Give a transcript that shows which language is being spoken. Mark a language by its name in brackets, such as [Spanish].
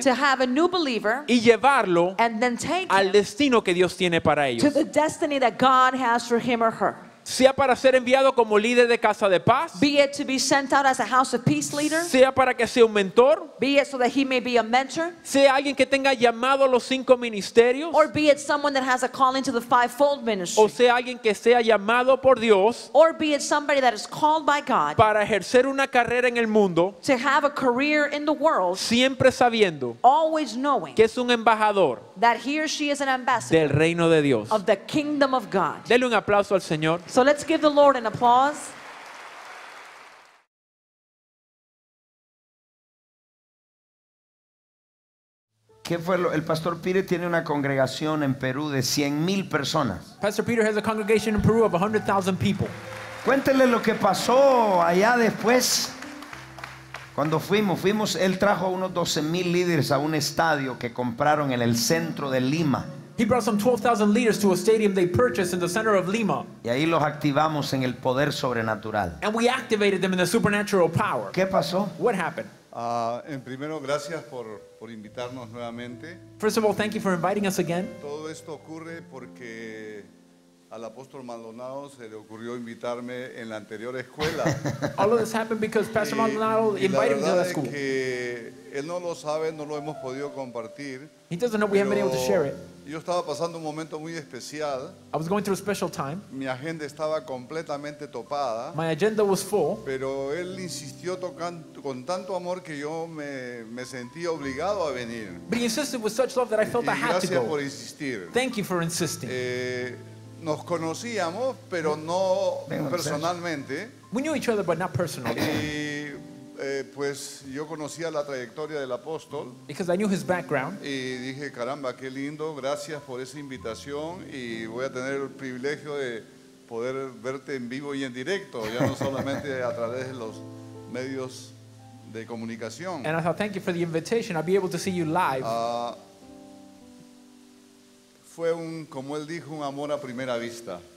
[English] to have a new believer, [Spanish] y llevarlo, [English] and then take [Spanish] al destino que Dios tiene para ellos, [English] to the destiny that God has for him or her. [Spanish] sea para ser enviado como líder de casa de paz, [English] be it to be sent out as a house of peace leader, [Spanish] sea para que sea un mentor, [English] be it so that he may be a mentor, [Spanish] sea alguien que tenga llamado a los cinco ministerios, [English] or be it someone that has a calling to the fivefold ministry, [Spanish] o sea alguien que sea llamado por Dios, [English] or be it somebody that is called by God, [Spanish] para ejercer una carrera en el mundo, [English] to have a career in the world, [Spanish] siempre sabiendo, [English] always knowing, [Spanish] que es un embajador, [English] that he or she is an ambassador, [Spanish] del reino de Dios, [English] of the kingdom of God. [Spanish] Dele un aplauso al Señor. [English] So let's give the Lord an applause. [Spanish] ¿Qué fue lo? El Pastor Peter tiene una congregación en Perú de 100,000 personas. [English] Pastor Peter has a congregation in Peru of 100,000 people. [Spanish] Cuéntele lo que pasó allá después. Cuando fuimos, él trajo unos 12,000 líderes a un estadio que compraron en el centro de Lima. [English] He brought some 12,000 leaders to a stadium they purchased in the center of Lima. [Spanish] Y ahí los activamos en el poder sobrenatural. [English] And we activated them in the supernatural power. [Spanish] ¿Qué pasó? [English] What happened? [Spanish] En primero, gracias por invitarnos nuevamente. [English] First of all, thank you for inviting us again. [Spanish] Todo esto ocurre porque al apóstol Maldonado se le ocurrió invitarme en la anterior escuela. [English] All of this happened because Pastor Maldonado invited me to that school. [Spanish] Y la verdad es que él no lo sabe, no lo hemos podido compartir. [English] He doesn't know we haven't been able to share it. [Spanish] Yo estaba pasando un momento muy especial. [English] I was going through a special time. [Spanish] Mi agenda estaba completamente topada. [English] My agenda was full. [Spanish] Pero él insistió con tanto amor que yo me sentí obligado a venir. [English] But he insisted with such love that I felt I had to go. [Spanish] Gracias por insistir. [English] Thank you for insisting. [Spanish] Nos conocíamos, pero no personalmente. [English] We knew each other, but not personally. [Spanish] Pues yo conocía la trayectoria del apóstol. [English] Because I knew his background. [Spanish] Y dije, caramba, qué lindo, gracias por esa invitación y voy a tener el privilegio de poder verte en vivo y en directo, ya no solamente a través de los medios de comunicación. [English] And I thought, thank you for the invitation, I'll be able to see you live. [Spanish] Fue un, como él dijo, un amor a primera vista.